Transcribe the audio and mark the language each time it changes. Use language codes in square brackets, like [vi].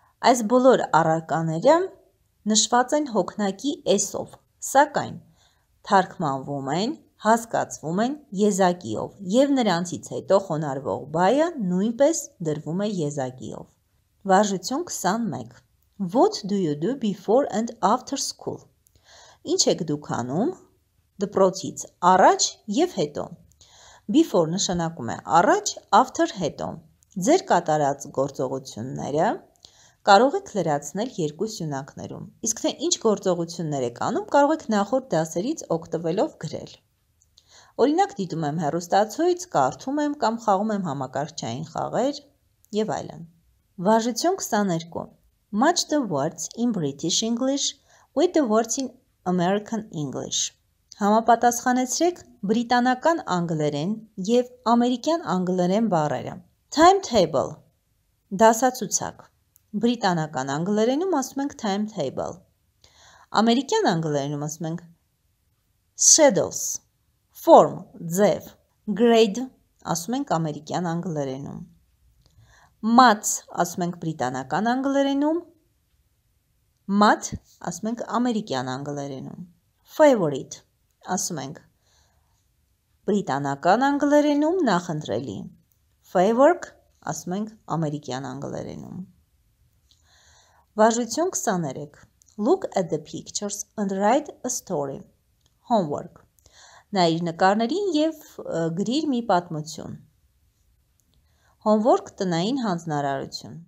[hy] Այս բոլոր առարկաները նշված են հոգնակի էսով, սակայն թարգմանվում են, հասկացվում են եզակիով, և նրանցից հետո խոնարհվող բայը նույնպես դրվում է եզակիով. Վարժություն 21. [en] What do you do before and after school? [hy] Ինչ եք դուք անում դպրոցից առաջ և հետո? Before նշանակում է առաջ, after հետո. Ձեր կատարած գործողությունները կարող եք լրացնել երկու սյունակներում, իսկ թե ինչ գործողություններ եք անում, կարող եք նախորդ դասերից օգտվելով գրել. Օրինակ, դիտում եմ հեռուստացույց, կարդում եմ կամ խաղում եմ համակարգչային խաղեր և այլն. Վարժություն 22. [en] Match the words in British English with the words in American English. [hy] Համապատասխանեցրեք բրիտանական անգլերեն և ամերիկյան անգլերեն բառերը. Timetable. Դասացուցակ. Բրիտանական անգլերենում ասում ենք timetable. Ամերիկյան անգլերենում ասում ենք schedules. Form. Ձև. Grade. Ասում ենք ամերիկյան անգլերենում. Math. Ասում ենք բրիտանական անգլերենում. Math. Ասում ենք ամերիկյան անգլերենում. Favorite. Ասում ենք բրիտանական անգլերենում նախընտրելի. Favorite. Ասում ենք ամերիկյան անգլերենում. Վարժություն 23. [en] Look at the pictures and write a story. Homework. [hy] Նայ իր նկարներին և գրիր մի պատմություն. Հոմվորկ տնային հանձնարարություն։